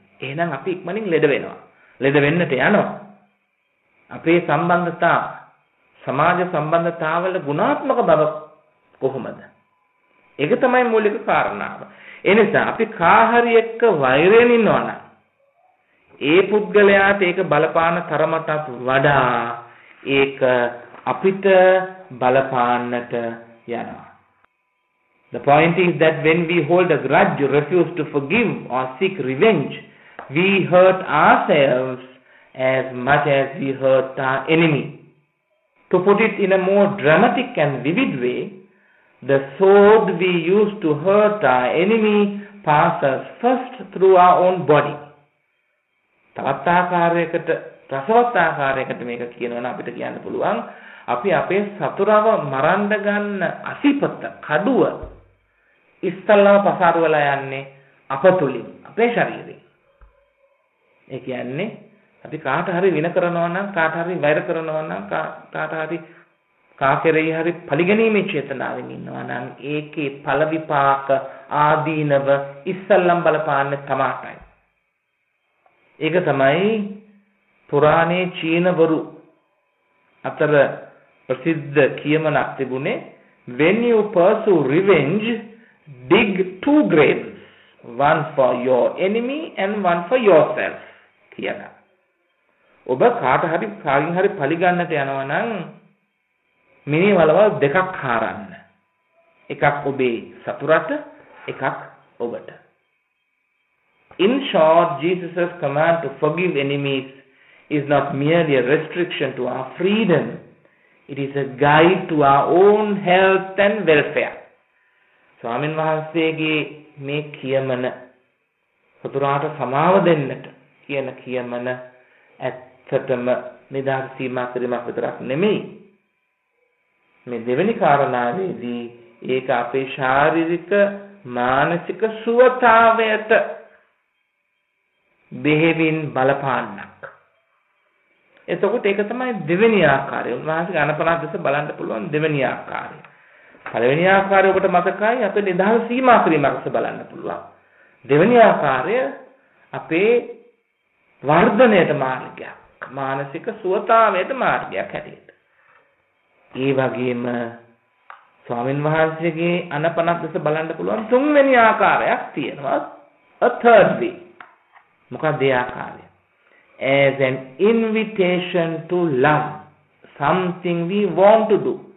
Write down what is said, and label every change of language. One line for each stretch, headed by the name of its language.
Sinhala: එහෙනම් අපි ඉක්මනින් ලෙඩ වෙනවා, ලෙඩ වෙන්නට යනවා. අපේ සම්බන්ධතා සමාජ සම්බන්ධතාවල ගුණාත්මක බව කොහොමද? ඒක තමයි මූලික කාරණාව. එනිසා අපි කාහරි එක්ක වෛරයෙන් ඉන්නවා නම් ඒ පුද්ගලයාට ඒක බලපාන තරමටත් වඩා ඒක අපිට බලපාන්නට යනවා.
English: The point is that when we hold a grudge, refuse to forgive or seek revenge, we hurt ourselves as much as we hurt our enemy. To put it in a more dramatic and vivid way, The sword we use to hurt our enemy passes first through our own body.
Sinhala: තවත් ආකාරයකට රසවත් ආකාරයකට මේක කියනවා නම් අපිට කියන්න පුළුවන් අපි අපේ සතුරව මරන්න ගන්න අසීපත කඩුව ඉස්සල්ලාම පසාර වෙලා යන්නේ අපතුලින් අපේ ශරීරයෙන්. ඒ කියන්නේ අපි කාට හරි වින කරනවා නම් කාට හරි වෛර කරනවා නම් කාට හරි කා කෙරෙහි හරි පරිගණීමේ චේතනාවෙන් ඉන්නවා නම් ඒකේ ඵල විපාක ආදීනව ඉස්සල්ලාම බලපාන්නේ තමයි. ඒක තමයි පුරාණේ චීනවරු අතර ප්‍රසිද්ධ කියමනක් තිබුණේ
English: when you pursue revenge dig two graves one for your enemy and one for yourself
Sinhala: කියලා. ඔබ කාට හරි කාගෙන් හරි පලි ගන්නට යනවා නම් මිනි වලවල් දෙකක් හරන්න. එකක් ඔබේ සතුරට එකක් ඔබට.
English: In short, Jesus' command to forgive enemies is not merely a restriction to our freedom. It is a guide to our own health and welfare.
Sinhala: Swamin Vahasege me kiyamana saturata samava dennata kiyana kiyamana ඇත්තටම නිදහස් සීමාවක් පිළිබඳ විතරක් නෙමෙයි. මේ දෙවෙනි කාරණාවේදී ඒක අපේ ශාරීරික මානසික සුවතාවයට බෙහෙවින් බලපාන්නක්. එතකොට ඒක තමයි දෙවෙනි ආකාරය. උන්වහන්සේ ඝනපනාහ දැස බලන්න පුළුවන් දෙවෙනි ආකාරය. පළවෙනි ආකාරය ඔබට මතකයි අපේ නිදහස් සීමාවක් පිළිබඳ බලන්න පුළුවන්. දෙවෙනි ආකාරය අපේ වර්ධනයට මාර්ගයක් මානසික සුවතාවයට මාර්ගයක් හැටියට. ඒ වගේම ස්වාමින් වහන්සේගේ අනපනත් දෙස බලන්න පුළුවන් තුන්වෙනි ආකාරයක් තියෙනවා
English: a third way.
Sinhala: මොකක්ද ඒ ආකාරය?
English: As an invitation to love something we want to do.